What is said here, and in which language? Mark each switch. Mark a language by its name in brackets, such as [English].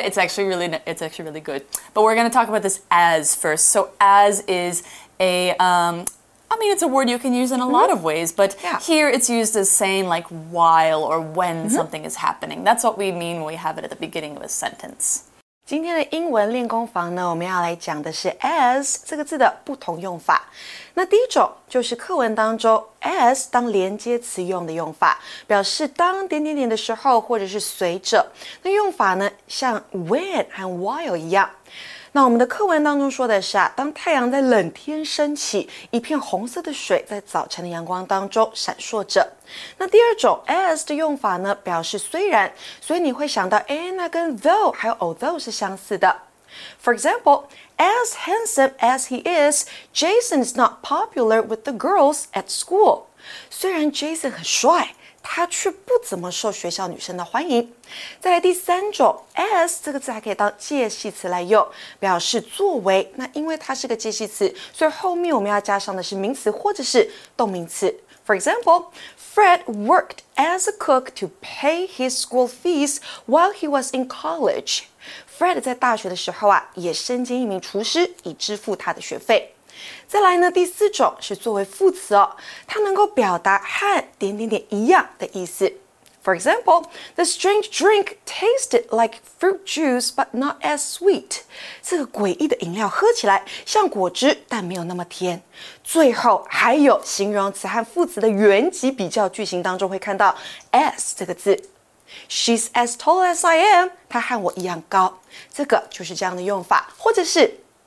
[English] It's actually really good. But we're going to talk about this as first. So as is a, it's a word you can use in a lot of ways, but here it's used as saying like while or when something is happening. That's what we mean when we have it at the beginning of a sentence. [Chinese] 今天的英文练功房呢，我们要来讲的是 as 这个字的不同用法。那第一种就是课文当中 as 当连接词用的用法，表示当点点点的时候或者是随着。那用法呢，像 when 和 while 一样。那我们的课文当中说的是啊，当太阳在冷天升起，一片红色的水在早晨的阳光当中闪烁着。那第二种 as 的用法呢，表示虽然，所以你会想到诶，那跟 though 还有 although 是相似的。 [English] For example, as handsome as he is, Jason is not popular with the girls at school. [Chinese] 虽然 Jason 很帅。他却不怎么受学校女生的欢迎。再来第三种 ,as 这个字还可以当介系词来用，表示作为。那因为它是个介系词，所以后面我们要加上的是名词或者是动名词。 [English] For example, Fred worked as a cook to pay his school fees while he was in college. [Chinese] Fred 在大学的时候啊，也身兼一名厨师以支付他的学费。再来呢，第四种是作为副词哦，它能够表达和点点点一样的意思。 [English] For example, the strange drink tasted like fruit juice, but not as sweet. [Chinese] 这个诡异的饮料喝起来像果汁，但没有那么甜。最后还有形容词和副词的原级比较句型当中会看到 as 这个字。 [English] She's as tall as I am. [Chinese] 她和我一样高。这个就是这样的用法，或者是。